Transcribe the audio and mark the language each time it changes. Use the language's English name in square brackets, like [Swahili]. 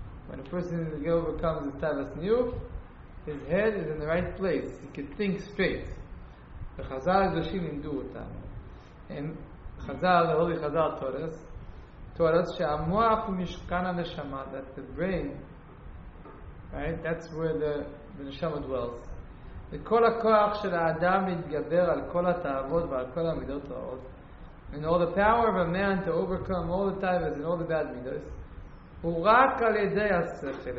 [English] When a person is able to overcome the tavas new, his head is in the right place. He can think straight. The Chazal is Roshim in Duh Otam. And Chazal, the Holy Chazal taught us, [Hebrew] שהמוח הוא משכן הנשמה, [English] that the brain, right, that's where the neshama dwells. [Hebrew] וכל הכוח של האדם מתגבר על כל התאוות ועל כל המידות רעות. [English] And all the power of a man to overcome all the tavas and all the bad midos, [Hebrew] הוא רק על ידי השכל.